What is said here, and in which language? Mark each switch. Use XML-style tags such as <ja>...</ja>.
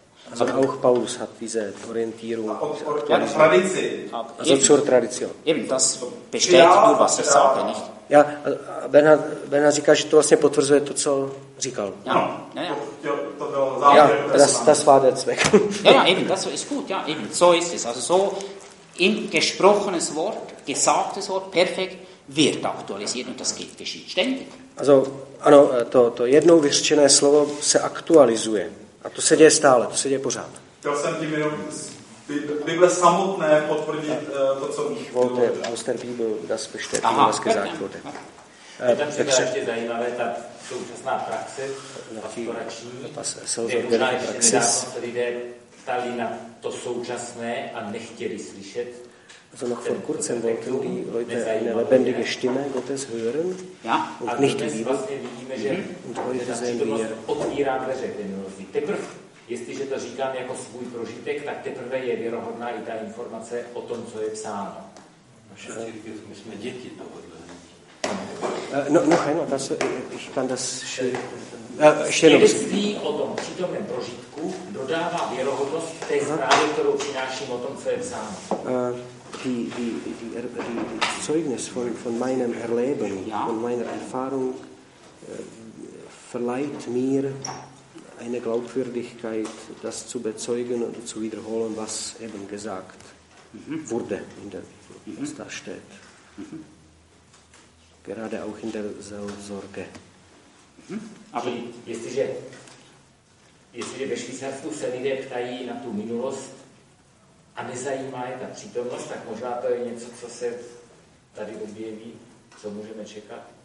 <de>Also auch Paulus hat diese Orientierung. Also zur Tradition. Eben, das bestätigt nur, was er sagte, nicht?</de> <cs>Ja, Bernhard říká, že to vlastně potvrzuje to, co říkal.</cs> <de>Ja, ja, ja. Ja, das war der Zweck. Ja, ja, eben, das ist gut, ja, eben, so ist es. Also so in gesprochenes Wort, gesagtes Wort, perfekt, wird aktualisiert und das geht geschieht ständig.</de> <cs>Also, ano, to jednou vyřčené slovo se aktualizuje. A to se děje stále, to se děje pořád. Chtěl jsem tím jenom Bible samotné potvrdit to, co bych chtěl. Volte, aus der Bibel, das bestätigt, was gesagt wurde. Je tam ještě zajímavé, ta současná praxe, pastorační, kde možná ještě nedávno se lidé ptali na to současné a nechtěli slyšet.</cs> <de>Also noch vor kurzem wollten die Leute eine lebendige Stimme Gottes hören ja. Und nicht die Liebe. Mhm. Und heute sehen wir, noch einmal, also ich kann das</de> <cs>Svědectví o tom přítomném prožitku dodává věrohodnost té zprávě, kterou přináším o tom, co je psáno.</cs> <de>Die Zeugnis von meinem Erleben, ja. Von meiner Erfahrung verleiht mir eine Glaubwürdigkeit, das zu bezeugen und zu wiederholen, was eben gesagt wurde, in der, was da steht. Gerade auch in der Seelsorge.</de> <cs>Aber jestliže ve Švýcarsku se lidé ptají na tu minulost, a nezajímá je ta přítomnost, tak možná to je něco, co se tady objeví, co můžeme čekat.</cs>